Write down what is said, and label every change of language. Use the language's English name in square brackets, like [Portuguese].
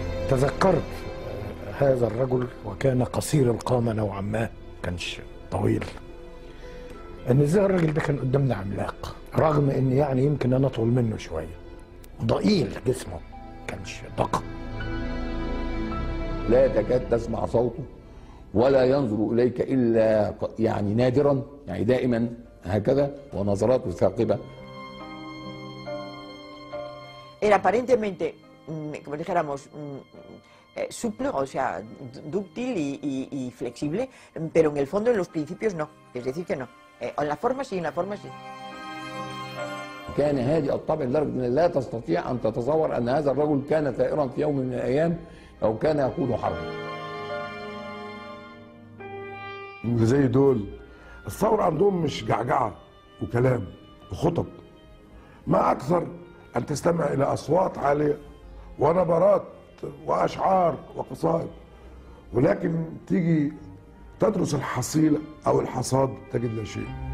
[Arabic] تذكرت هذا الرجل وكان قصير القامة نوعا ما، كانش طويل، ان ازاي الرجل ده كان قدامنا عملاق، رغم ان يعني يمكن انا اطول منه شوية، ضئيل جسمه، كانش دقيق، لا تكاد تسمع صوته ولا ينظر اليك الا يعني نادرا، يعني دائما هكذا ونظراته ثاقبة. [Spanish] aparentemente como dijéramos suple, o sea, dúctil y flexible, pero en el fondo, en los principios, no. Es decir, que no. En la forma sí, en la forma sí. [Arabic] كان هادي الطبع لدرجة لا تستطيع أن تتصور أن هذا الرجل كان طائرا في يوم من الأيام أو كان يقود حربا. زي دول الثورة عندهم مش جعجعة وكلام وخطب، ما أكثر أن تستمع إلى أصوات عالية ونبرات وأشعار وقصائد، ولكن تيجي تدرس الحصيلة أو الحصاد تجد لا شيء.